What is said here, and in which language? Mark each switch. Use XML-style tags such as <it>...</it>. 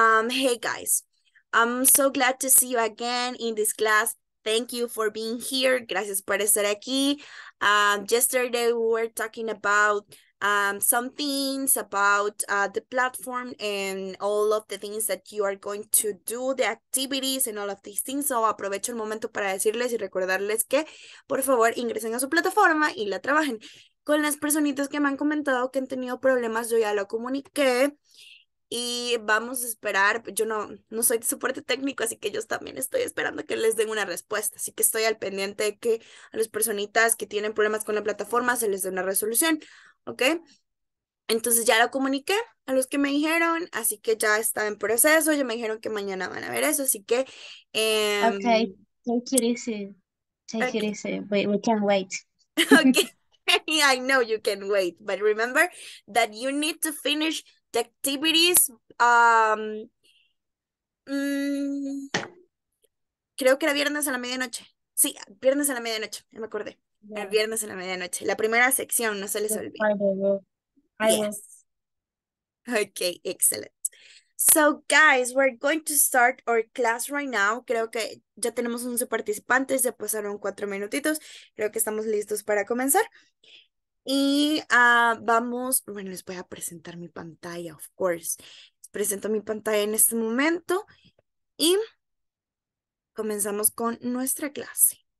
<en>hey guys, I'm so glad to see you again in this class. Thank you for being here.</en> <es>Gracias por estar aquí.</es> <en>Yesterday we were talking about some things about the platform and all of the things that you are going to do, the activities and all of these things.</en> <es>So aprovecho el momento para decirles y recordarles que por favor ingresen a su plataforma y la trabajen. Con las personitas que me han comentado que han tenido problemas, yo ya lo comuniqué. Y vamos a esperar, yo no soy de soporte técnico, así que yo también estoy esperando que les den una respuesta. Así que estoy al pendiente de que a las personitas que tienen problemas con la plataforma se les dé una resolución, ¿ok? Entonces ya lo comuniqué a los que me dijeron, así que ya está en proceso. Ya me dijeron que mañana van a ver eso, así que...</es> <en>ok, take it easy. Take it easy. We can wait. Ok, I know you can wait, but remember that you need to finish... the activities,</en> <es>creo que era viernes a la medianoche. Sí, viernes a la medianoche, ya me acordé. Yeah. El viernes a la medianoche. La primera sección, no se les olvide. Yes.</es> <en>Okay, excellent. So, guys, we're going to start our class right now.</en> <es>Creo que ya tenemos 11 participantes, ya pasaron 4 minutitos. Creo que estamos listos para comenzar. Y vamos, bueno, les voy a presentar mi pantalla,</es> <en>of course.</en> <es>Les presento mi pantalla en este momento y comenzamos con nuestra clase.</es>